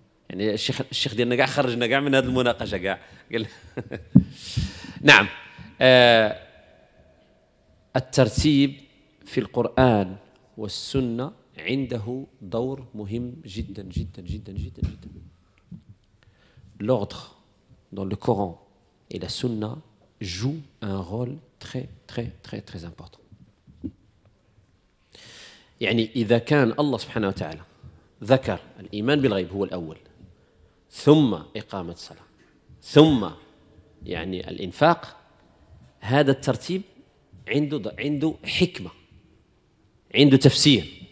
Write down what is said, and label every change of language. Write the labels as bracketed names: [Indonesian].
[Arabic] يعني الشيخ ديالنا قاع خرجنا قاع من هذه المناقشة قاع قال. نعم. الترتيب في القرآن والسنة عنده دور مهم جدا جدا جدا جدا جدا. [French] L'ordre dans le Coran et la Sunna joue un rôle très très très très important. [Arabic] يعني إذا كان الله سبحانه وتعالى ذكر الإيمان بالغيب هو الأول، ثم إقامة الصلاة ثم يعني الإنفاق. هذا الترتيب عنده حكمة، عنده تفسير.